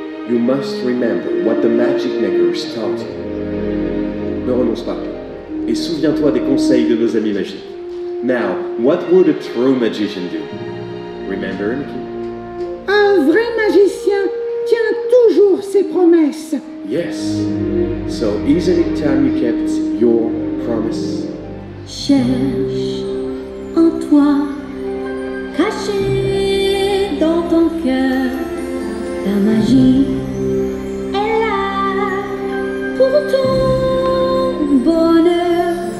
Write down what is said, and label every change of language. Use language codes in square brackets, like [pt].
[en] You must remember what the magic makers taught you. [fr] Ne renonce pas. Et souviens-toi des conseils de nos amis magiques. [en] Now, what would a true magician do? Remember, Mickey? [fr] Un vrai magicien tient toujours ses promesses. [en] Yes. So, isn't it time you kept your promise? [fr] Cherche en toi, caché dans ton cœur, ta magie est là pour ton bonheur.